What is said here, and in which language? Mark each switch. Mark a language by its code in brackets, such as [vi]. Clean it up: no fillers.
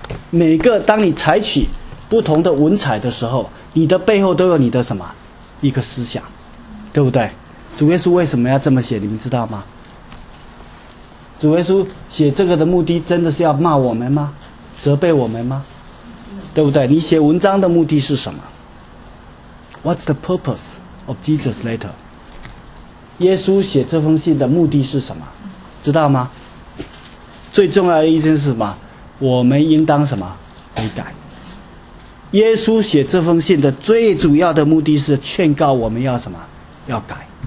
[zh] 每个当你采取不同的文采的时候，你的背后都有你的什么一个思想，对不对？主耶稣为什么要这么写？你们知道吗？主耶稣写这个的目的真的是要骂我们吗？责备我们吗？对不对？你写文章的目的是什么 ？ [en] What's the purpose of Jesus' letter？ [zh] 耶稣写这封信的目的是什么？知道吗？最重要的意思是什么？我们应当什么悔改？耶稣写这封信的最主要的目的是劝告我们要什么？要改。